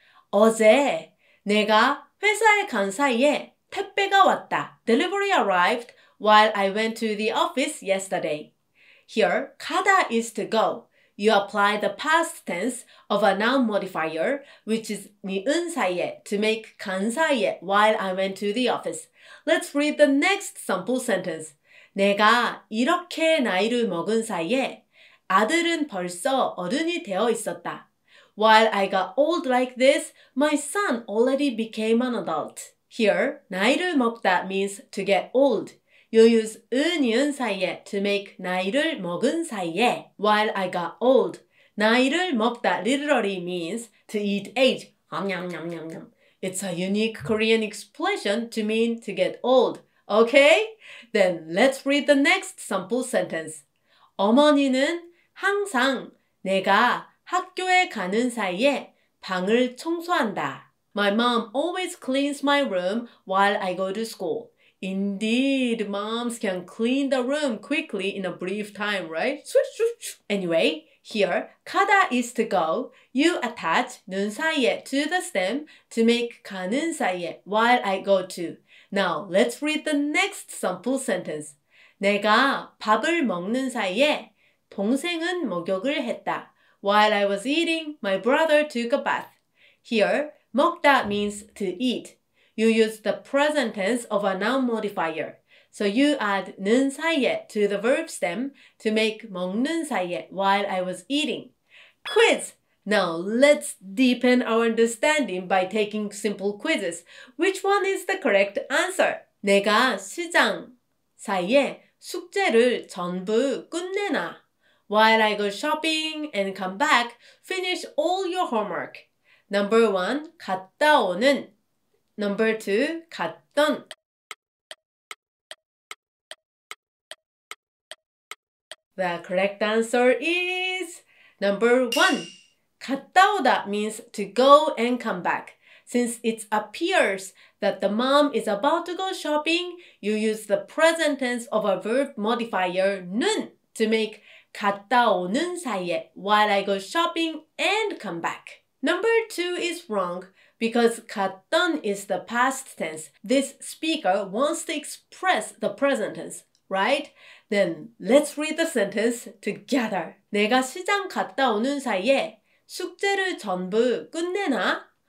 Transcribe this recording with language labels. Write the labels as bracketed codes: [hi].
[ko] 어제 내가 회사에 간 사이에 택배가 왔다. [en] Delivery arrived while I went to the office yesterday. Here, 가다 is to go. You apply the past tense of a noun modifier, which is 니은 사이에, to make 간 사이에, while I went to the office. Let's read the next sample sentence. [ko] 내가 이렇게 나이를 먹은 사이에 아들은 벌써 어른이 되어 있었다. [en] While I got old like this, my son already became an adult. Here, 나이를 먹다 means to get old. You use 은이은 사이에 to make 나이를 먹은 사이에, while I got old. 나이를 먹다 literally means to eat age. It's a unique Korean expression to mean to get old. Okay? Then let's read the next sample sentence. [ko] 어머니는 항상 내가 학교에 가는 사이에 방을 청소한다. [en] My mom always cleans my room while I go to school. Indeed, moms can clean the room quickly in a brief time, right? Anyway, here, 가다 is to go. You attach 눈 사이에 to the stem to make 가는 사이에, while I go to. Now, let's read the next sample sentence. [ko] 내가 밥을 먹는 사이에 동생은 목욕을 했다. [en] While I was eating, my brother took a bath. Here, 먹다 means to eat. You use the present tense of a noun modifier. So you add 는 사이에 to the verb stem to make 먹는 사이에 while I was eating. Quiz! Now let's deepen our understanding by taking simple quizzes. Which one is the correct answer? [ko] 내가 시장 사이에 숙제를 전부 끝내나. [en] While I go shopping and come back, finish all your homework. Number one, 갔다 오는. Number 2, 갔던. The correct answer is number 1. 갔다 오다 means to go and come back. Since it appears that the mom is about to go shopping, you use the present tense of a verb modifier 는 to make 갔다 오는 사이에, while I go shopping and come back. Number 2 is wrong. Because 갔던 is the past tense, this speaker wants to express the present tense, right? Then let's read the sentence together. [ko] 내가 시장 갔다 오는 사이에 숙제를 전부 끝내나?